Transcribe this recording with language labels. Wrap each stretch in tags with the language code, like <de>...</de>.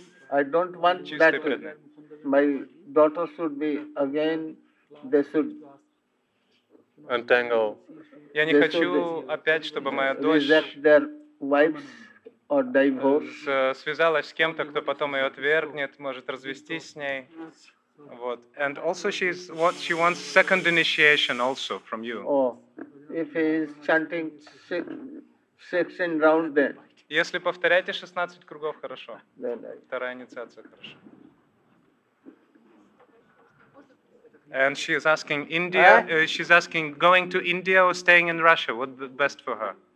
<en>I don't want that. My daughter should be again. They should entangle.</en> <ru>Я не хочу опять, чтобы моя дочь</ru> <en>reject their wives. Or divorce.</en> <ru>Связалась с кем-то, кто потом ее отвергнет, может развестись с ней. Вот.</ru> <en>And also she wants second initiation also from you. Oh, if he is chanting 16 rounds then.</en> <ru>Если повторяете 16 кругов, хорошо. Вторая инициация, хорошо.</ru> <en>And she is asking India. She's asking going to India or staying in Russia. What best for her?</en>